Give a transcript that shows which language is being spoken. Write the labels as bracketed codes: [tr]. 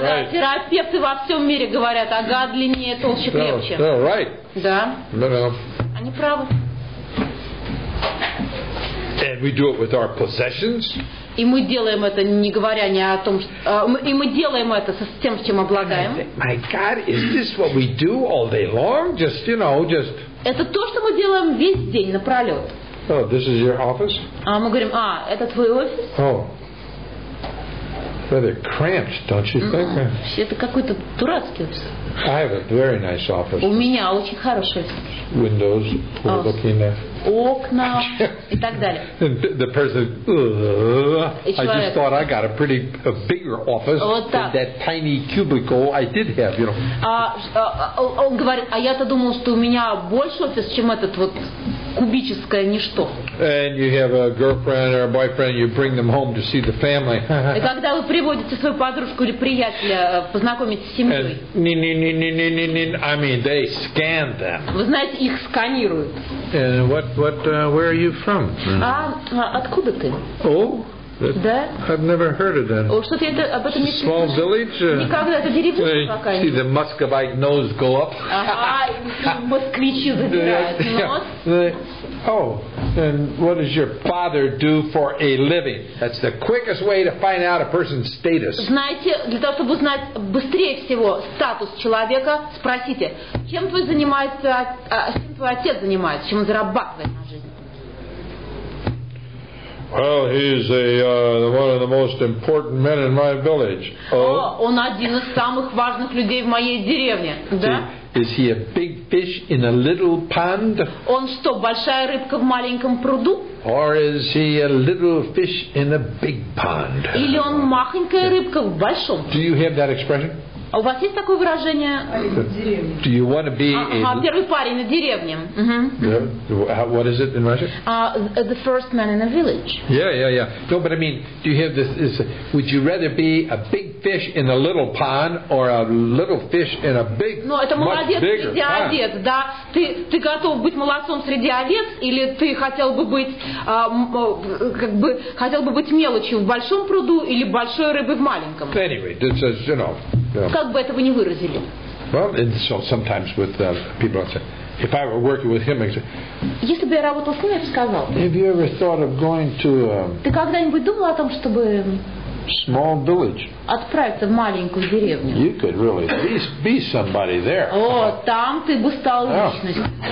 [ru] Да, терапевты во всем мире говорят, ага, длиннее, толще, крепче. [en] So, right. [ru] Да. [en] No. [ru] Они правы. [en] And we do it with our possessions. [ru] И мы делаем это, не говоря ни о том, что, и мы делаем это с тем, чем обладаем. [en] My God, is this what we do all day long? Just, you know, just. [ru] Это то, что мы делаем весь день напролет. [en] Oh, this is your office? [ru] А мы говорим, а это твой офис? [en] Oh, rather cramped, don't you think? [ru] Это какой-то дурацкий офис. [en] I have a very nice office. [ru] У меня очень хороший офис. [en] Windows, looking at. [ru] Окна и так далее. [en] And the person, I just thought I got a pretty a bigger office [ru] вот [en] than that tiny cubicle I did have, you know. [ru] Он говорит, а я-то думал, что у меня больше офис, чем этот вот кубическое ничто. [en] And you have a girlfriend or a boyfriend, you bring them home to see the family. [ru] И когда вы приводите свою подружку или приятеля познакомить с семьей. [en] I mean, they scan them. [ru] Вы знаете, их сканируют. [en] And what where are you from? [ru] Откуда ты? [en] Oh, [ru] да? [en] I've never heard of that. [ru] Oh, что-то это об этом не слышал. [en] Small village. [ru] Никогда это деревня какая. [en] See the Muscovite nose go up. [ru] Москвичи задирают нос. [en] Oh, and what does your father do for a living? That's the quickest way to find out a person's status. [ru] Знаете, для того чтобы узнать быстрее всего статус человека, спросите, чем твой занимается. Отец занимается, чем он зарабатывает на жизнь. [en] Well, he's one of the most important men in my village. [ru] Oh, он один из самых важных людей в моей деревне, да? [en] Is he a big fish in a little pond? [ru] Он что, большая рыбка в маленьком пруду? [en] Or is he a little fish in a big pond? [ru] Или он махонькая рыбка в большом? [en] Do you have that expression? [ru] А у вас есть такое выражение? [en] Do you want to be [ru] первый парень на деревне? [en] What is it in Russian? The first man in a village. Yeah. No, but I mean, do you have this? Would you rather be a big fish in a little pond or a little fish in a big, [ru] no, это молодец [en] much [ru] среди овец, да? Ты готов быть молодцом среди овец или ты хотел бы быть мелочью в большом пруду или большой рыбой в маленьком? [en] Anyway, this is, you know. [ru] Как бы этого не выразили. [en] Well, and so sometimes with people I'd say, if I were working with him, I'd say, [ru] если бы я работал с ним, я бы сказал. [en] Have you ever thought of going to? [ru] Ты когда-нибудь думал о том, чтобы? [en] Small village. [ru] Отправиться в маленькую деревню. [en] You could really be somebody there. [ru] Там ты бы стал личностью.